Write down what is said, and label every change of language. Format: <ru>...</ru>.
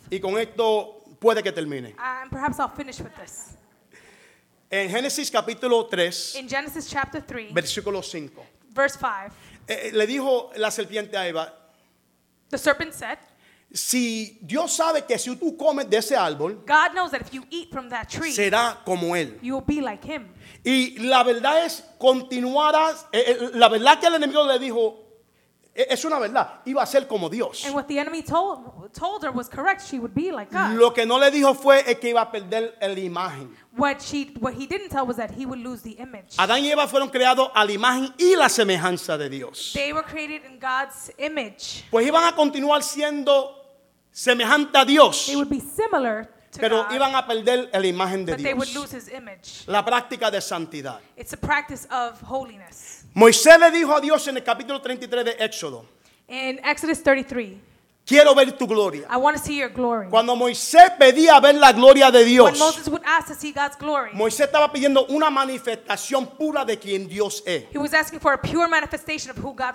<es>Y con esto puede que termine.</es> <en>And perhaps I'll finish with this.</en> <es>En Génesis capítulo 3.</es> <en>In Genesis chapter 3.</en> <es>Versículo 5.</es> <en>Verse 5.</en> <es>Le dijo la serpiente a Eva.</es> <en>The serpent said.</en> <es>Si Dios sabe que si tú comes de ese árbol.</es> <en>God knows that if you eat from that tree.</en> <es>Será como él.</es> <en>You will be like him.</en> <es>Y la verdad es continuarás. La verdad que el enemigo le dijo. Es una verdad. Iba a ser como Dios.</es> <en>And what the enemy told her was correct. She would be like God.</en> <es>Lo que no le dijo fue es que iba a perder la imagen.</es> <en>What he didn't tell was that he would lose the image.</en> <es>Adán y Eva fueron creados a la imagen y la semejanza de Dios.</es> <en>They were created in God's image.</en> <es>Pues iban a continuar siendo semejante a Dios.</es> <en>They would be similar to God.</en> <es>Pero iban a perder la imagen de Dios.</es> <en>But they would lose his image.</en> <es>La práctica de santidad.</es> <en>It's a practice of holiness.</en> <es>Moisés le dijo a Dios en el capítulo 33 de Éxodo.</es> <en>In Exodus 33.</en> <es>Quiero ver tu gloria.</es> <en>I want to see your glory.</en> <es>Cuando Moisés pedía ver la gloria de Dios.</es> <en>When Moses would ask to see God's glory.</en> <es>Moisés estaba pidiendo una manifestación pura de quien Dios es.</es> <en>He was asking for a pure manifestation of who God</en>